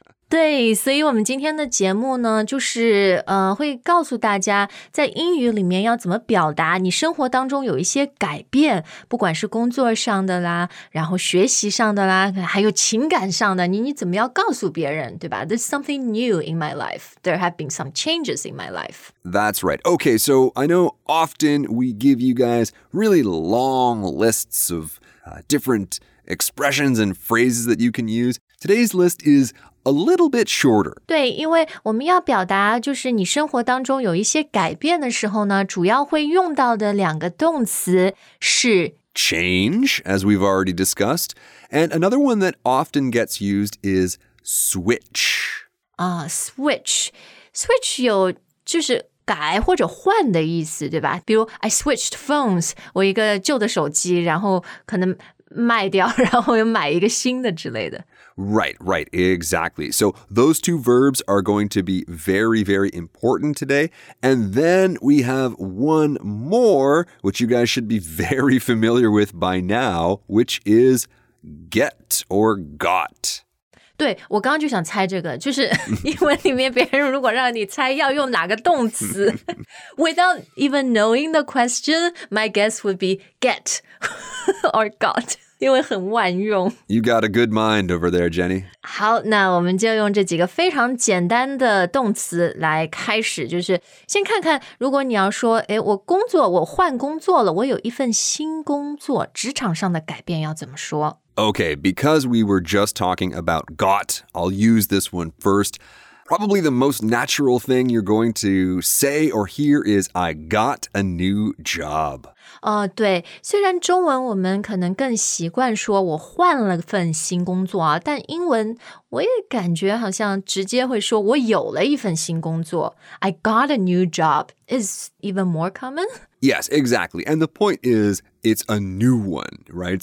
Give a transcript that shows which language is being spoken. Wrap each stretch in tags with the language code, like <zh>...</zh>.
<zh>对，所以我们今天的节目呢，就是会告诉大家在英语里面要怎么表达你生活当中有一些改变，不管是工作上的啦，然后学习上的啦，还有情感上的，你怎么要告诉别人，对吧？</zh> <en>There's something new in my life. There have been some changes in my life. That's right. Okay, so I know often we give you guys really long lists of different expressions and phrases that you can use. Today's list is a little bit shorter.</en> <zh>对，因为我们要表达就是你生活当中有一些改变的时候呢，主要会用到的两个动词是</zh> <en>change, as we've already discussed, and another one that often gets used is switch.</en> <zh>Switch 有就是改或者换的意思，对吧？比如</zh> <en>I switched phones,</en> <zh>我一个旧的手机，然后可能卖掉，然后又买一个新的之类的。</zh> <en>Right, right, exactly. So those two verbs are going to be very, very important today. And then we have one more, which you guys should be very familiar with by now, which is get or got.</en> <zh>对，我刚刚就想猜这个，就是英文里面别人如果让你猜要用哪个动词</zh> <en>without even knowing the question, my guess would be get or got.</en> <zh>因为很万用。</zh> <en>You got a good mind over there, Jenny.</en> <zh>好，那我们就用这几个非常简单的动词来开始，就是先看看，如果你要说，哎，我工作，我换工作了，我有一份新工作，职场上的改变要怎么说？</zh> <en>Okay, because we were just talking about got, I'll use this one first. Probably the most natural thing you're going to say or hear is, I got a new job.</en> <zh>对，虽然中文我们可能更习惯说我换了份新工作啊，但英文我也感觉好像直接会说我有了一份新工作。</zh> <en>I got a new job is even more common. Yes, exactly. And the point is, it's a new one, right?</en>